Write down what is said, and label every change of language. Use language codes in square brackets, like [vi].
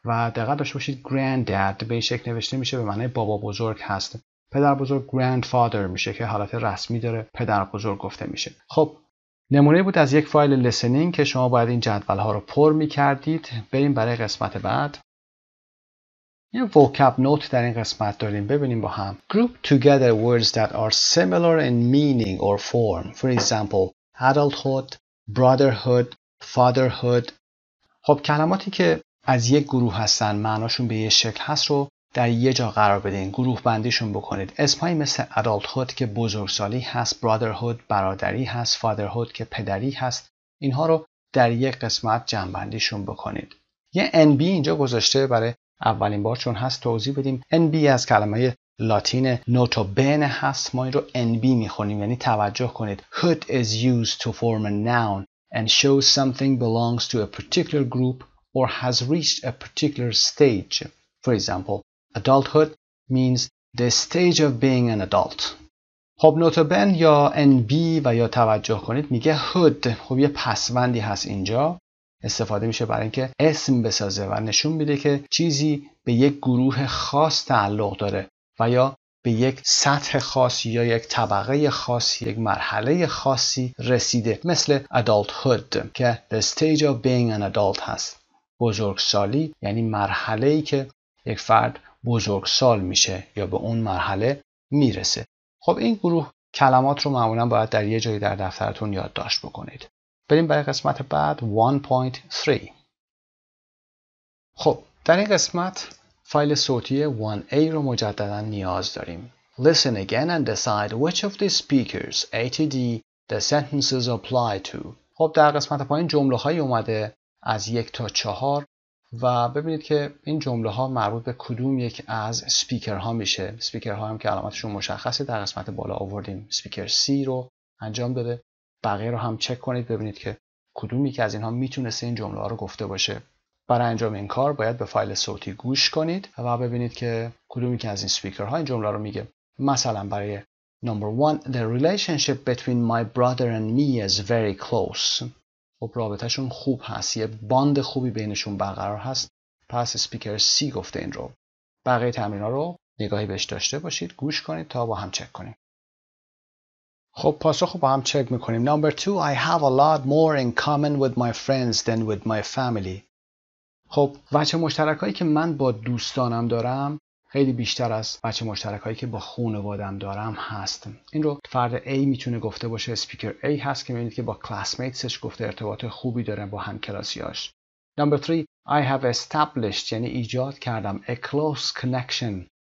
[fa] و دقت داشته باشید granddad به این شکل نوشته میشه، به معنی بابا بزرگ هست. پدر بزرگ grandfather میشه که حالت رسمی داره پدر بزرگ گفته میشه. خب نمونه بود از یک فایل لسنینگ که شما باید این جدول ها رو پر میکردید. بریم برای قسمت بعد. یه vocab note در این قسمت داریم، ببینیم با هم. [en] Group together words that are similar in meaning or form. For example, adulthood, brotherhood, fatherhood. [fa] خب کلماتی که از یک گروه هستن معناشون به یه شکل هست رو در یه جا قرار بدین، گروه بندیشون بکنید. اسمایی مثل adulthood که بزرگسالی هست، brotherhood برادری هست، fatherhood که پدری هست، اینها رو در یک قسمت جمع بندیشون بکنید. یه NB اینجا گذاشته برای اولین بار چون هست توضیح بدیم. NB از کلمه لاتین نوتو بینه هست، ما این رو NB میخونیم، یعنی توجه کنید. [en] Hood is used to form a noun and shows something belongs to a particular group or has reached a particular stage. For example, adulthood means the stage of being an adult. [fa] خب نوتو بن یا NB و یا توجه کنید میگه hood. خب یه پسوندی هست اینجا، استفاده میشه برای اینکه اسم بسازه و نشون میده که چیزی به یک گروه خاص تعلق داره و یا به یک سطح خاص یا یک طبقه خاص، یک مرحله خاصی رسیده. مثل adulthood که [en] the stage of being an adult [fa] هست. بزرگسالی یعنی مرحله‌ای که یک فرد بزرگسال میشه یا به اون مرحله میرسه. خب این گروه کلمات رو معمولا باید در یه جایی در دفترتون یادداشت بکنید. بریم برای قسمت بعد 1.3. خب در این قسمت فایل صوتی 1A رو مجدداً نیاز داریم. [en] Listen again and decide which of the speakers A to D the sentences apply to. [fa] خب در قسمت پایین جمله های اومده از 1 تا 4 و ببینید که این جمله ها مربوط به کدوم یک از سپیکر ها میشه. سپیکر ها هم که علامتشون مشخصه در قسمت بالا آوردیم، سپیکر C رو انجام داده. بقیه رو هم چک کنید ببینید که کدوم یکی از اینها میتونسته این جمله ها رو گفته باشه. برای انجام این کار باید به فایل صوتی گوش کنید و ببینید که کدومی که از این سپیکرها این جمله رو میگه. مثلا برای [en] number 1 the relationship between my brother and me is very close. [fa] خب رابطه شون خوب هست، یه باند خوبی بینشون برقرار هست، پس سپیکر C گفته این رو. بقیه تمرین ها رو نگاهی بهش داشته باشید، گوش کنید تا با هم چک کنیم. خب پاسخ رو با هم چک میکنیم. [en] number 2 I have a lot more in common with my friends than with my family. [fa] خب بچه مشترکایی که من با دوستانم دارم خیلی بیشتر از بچه مشترکایی که با خانوادم دارم هست. این رو فرد A میتونه گفته باشه، speaker A هست که میبینید که با classmatesش گفته ارتباط خوبی داره با همکلاسیاش. [en] Number 3, I have established [fa] یعنی ایجاد کردم [en] a close connection.